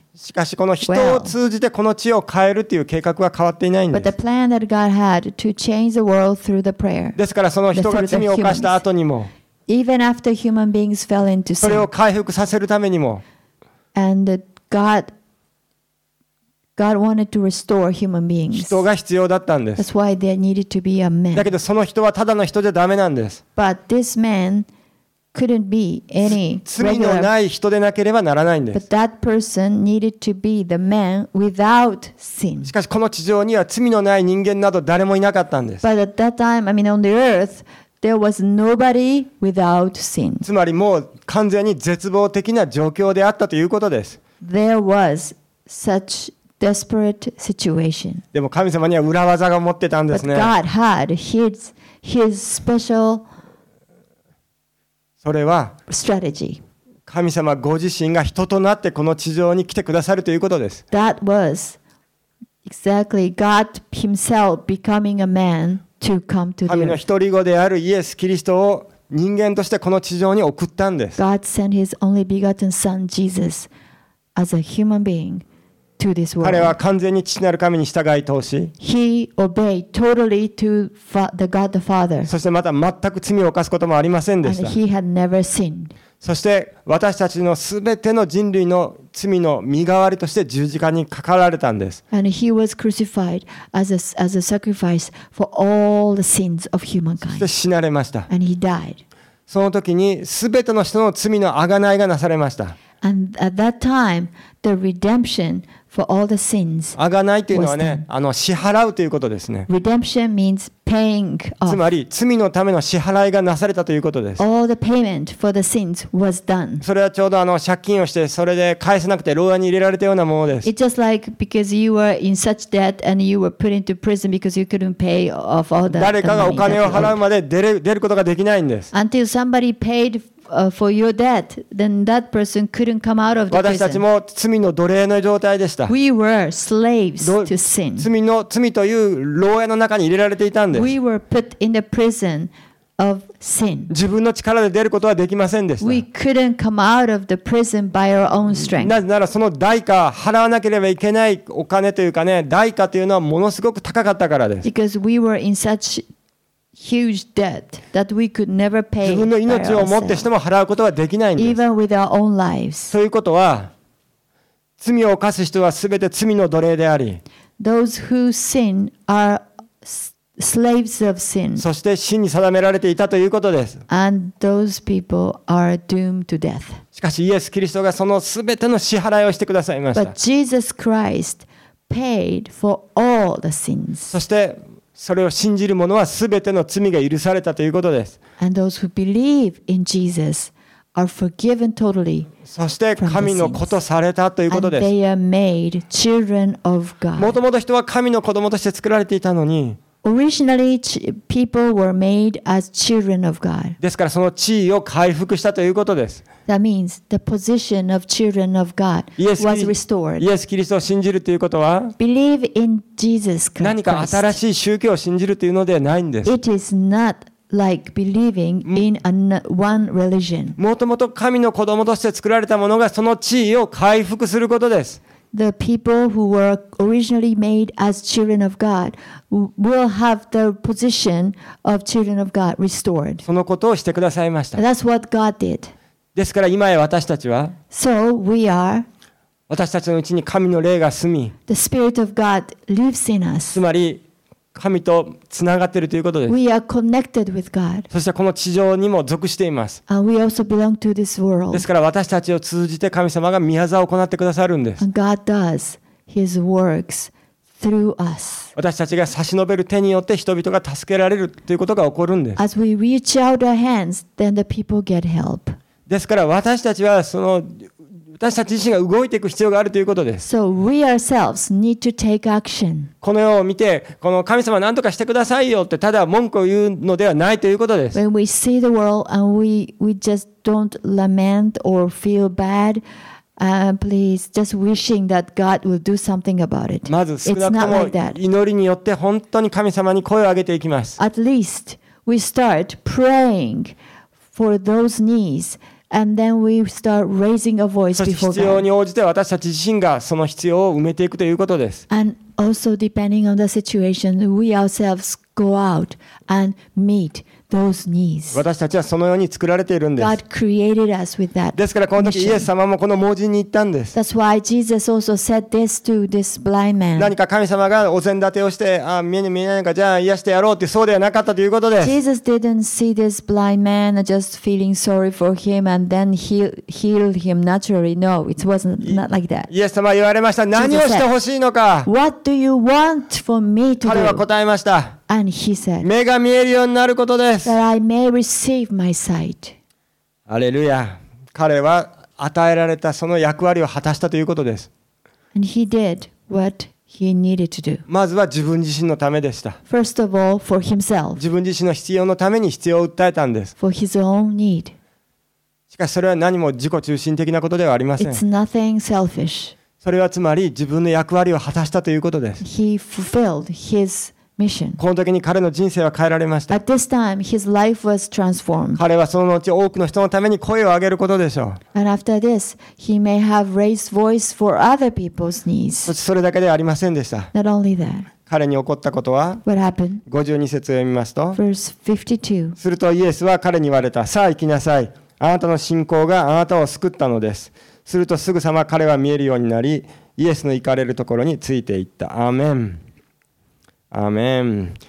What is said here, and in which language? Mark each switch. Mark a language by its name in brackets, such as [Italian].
[Japanese] しかしこの人を通じてこの地を変えるという計画は変わっていないんです。 [English] But the plan that God had to change the world through the prayer. [Japanese] ですからその人が罪を犯した後にも、 [English] Even after human beings fell into sin. [Japanese] それを回復させるためにも、 [English] And God wanted to restore human beings. [Japanese] 人が必要だったんです。 [English] That's why there needed to be a man. [Japanese] だけどその人はただの人じゃダメなんです。 [English] But this man couldn't be any regular. [Japanese] 罪のない人でなければならないんです。 [English] But that person needed to be the man without sin. [Japanese] しかしこの地上には罪のない人間など誰もいなかったんです。 [English] But at that time, I mean, on the earth, there was nobody without sin. [Japanese] つまりもう完全に絶望的な状況であったということです。 [English] There was such desperate situation. [Japanese] でも神様には裏技が持ってたんですね。 [English] But God had his special [Japanese] それは [English] strategy. [Japanese] 神様ご自身が人となってこの地上に来てくださるということです。 [English] That was exactly God himself becoming a man to come to the earth. [Japanese] 神の一人子であるイエス・キリストを人間としてこの地上に送ったんです。 [English] God sent his only begotten son Jesus as a human being. [Japanese] 彼は完全に父なる神に従い通し、 [English] He obeyed totally to the God the Father. [Japanese] そしてまた全く罪を犯すこともありませんでした。 [English] And he had never sinned. [Japanese] そして私たちのすべての人類の罪の身代わりとして十字架にかかられたんです。 [English] And he was crucified as a sacrifice for all the sins of humankind. [Japanese] そして死なれました。 [English] And he died. [Japanese] その時にすべての人の罪の贖いがなされました。 [English] And at that time, the redemption for all the sins was done. [Japanese] 贖いというのはね、支払うということですね。 [English] Redemption means paying off. [Japanese] つまり、罪のための支払いがなされたということです。 [English] All the payment for the sins was done. [Japanese] それはちょうど借金をして、それで返せなくて牢屋に入れられたようなものです。 [English] It's just like because you were in such debt and you were put into prison because you couldn't pay off all the money. [Japanese] 誰かがお金を払うまで出ることができないんです。 [English] Until somebody paid for your debt, then that person couldn't come out of the prison. [Japanese] 私たちも罪の奴隷の状態でした。 [English] We were slaves to sin. [Japanese] 罪という牢屋の中に入れられていたんです。 [English] We were put in the prison of sin. [Japanese] 自分の力で出ることはできませんでした。 [English] We couldn't come out of the prison by our own strength. [Japanese] なぜならその代価、払わなければいけないお金というかね、代価というのはものすごく高かったからです。 [English] Because we were in such huge debt that we could never pay. [Japanese] 自分の命をもってしても払うことはできないんです。 [English] Even with our own lives. [Japanese] ということは、罪を犯す人はすべて罪の奴隷であり、 [English] Those who sin are slaves of sin. [Japanese] そして死に定められていたということです。 [English] And those people are doomed to death. [Japanese] しかしイエス・キリストがそのすべての支払いをしてくださいました。 [English] But Jesus Christ paid for all the sins. [Japanese] そしてそれを信じる者はすべての罪が許されたということです。 [English] And those who believe in Jesus are forgiven totally. [Japanese] そして神の子とされたということです。 [English] And they are made children of God. [Japanese] もともと人は神の子供として作られていたのに、 [English] Originally, people were made as children of God. [Japanese] ですからその地位を回復したということです。 [English] That means the position of children of God was restored. [Japanese] イエス・キリストを信じるということは、 [English] Believe in Jesus Christ. [Japanese] 何か新しい宗教を信じるというのではないんです。 [English] It is not like believing in one religion. [Japanese] もともと神の子供として作られたものがその地位を回復することです。 [English] The people who were originally made as children of God will have the position of children of God restored. [Japanese] そのことをしてくださいました。 [English] That's what God did. [Japanese] ですから今へ私たちは、 [English] So we are. [Japanese] 私たちのうちに神の霊が住み、 [English] The Spirit of God lives in us. [Japanese] つまり神とつながっているということです。 [English] We are connected with God. [Japanese] そしてこの地上にも属しています。 [English] And we also belong to this world. [Japanese] ですから私たちを通じて神様が御業を行ってくださるんです。 [English] And God does His works through us. [Japanese] 私たちが差し伸べる手によって人々が助けられるということが起こるんです。 [English] As we reach out our hands, then the people get help. [Japanese] ですから私たちはその私たち自身が動いていく必要があるということです。 [English] So we ourselves need to take action. [Japanese] この世を見て、この神様何とかしてくださいよってただ文句を言うのではないということです。 [English] When we see the world and we just don't lament or feel bad, Please, just wishing that God will do something about it. [Japanese] まず少なくとも祈りによって本当に神様に声を上げていきます。 [English] At least we start praying for those needs, and then we start raising a voice before God. [Japanese] そして必要に応じて私たち自身がその必要を埋めていくということです。 [English] And also depending on the situation, we ourselves go out and meet. Those needs. [Japanese] 私たちはそのように作られているんです。 [English] God created us with that mission. [Japanese] ですからこの時イエス様もこの盲人に言ったんです。 [English] That's why Jesus also said this to this blind man. [Japanese] 何か神様がお膳立てをして、ああ見えない見えないかじゃあ癒してやろうってそうではなかったということです。 [English] Jesus didn't see this blind man just feeling sorry for him and then healed him naturally. No, it wasn't like that. [Japanese] イエス様は言われました。何をしてほしいのか。 [English] What do you want for me to do? [Japanese] 彼は答えました。 [English] And he said, [Japanese] 目が見えるようになることです。 [English] That I may receive my sight. [Japanese] アレルヤ。彼は与えられたその役割を果たしたということです。 [English] And he did what he needed to do. [Japanese] まずは自分自身のためでした。 [English] First of all, for himself. [Japanese] 自分自身の必要のために必要を訴えたんです。 [English] For his own need. [Japanese] しかしそれは何も自己中心的なことではありません。 [English] It's nothing selfish. [Japanese] それはつまり自分の役割を果たしたということです。 [English] He fulfilled his Mission. [Japanese] この時に彼の人生は変えられました。 [English] At this time, his life was transformed. [Japanese] 彼はその後多くの人のために声を上げることでしょう。 [English] And after this, he may have raised voice for other people's needs. [Japanese] それだけではありませんでした。 [English] Not only that. [Japanese] 彼に起こったことは、 [English] What happened? [Japanese] 52節を読みますと、 [English] Verse 52. [Japanese] するとイエスは彼に言われた。さあ行きなさい。あなたの信仰があなたを救ったのです。するとすぐさま彼は見えるようになり、イエスの行かれるところについていった。アーメン。アーメン。